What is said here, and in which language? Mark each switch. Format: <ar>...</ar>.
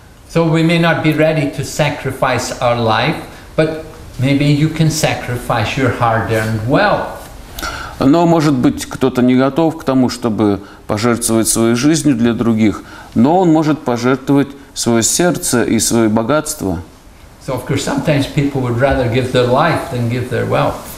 <en>So we may not be ready to sacrifice our life, but maybe you can sacrifice your hard-earned wealth.</en> <ru>Но может быть кто-то не готов к тому, чтобы пожертвовать своей жизнью для других, но он может пожертвовать свое сердце и свое богатство.</ru> <en>So of course sometimes people would rather give their life than give their wealth.</en>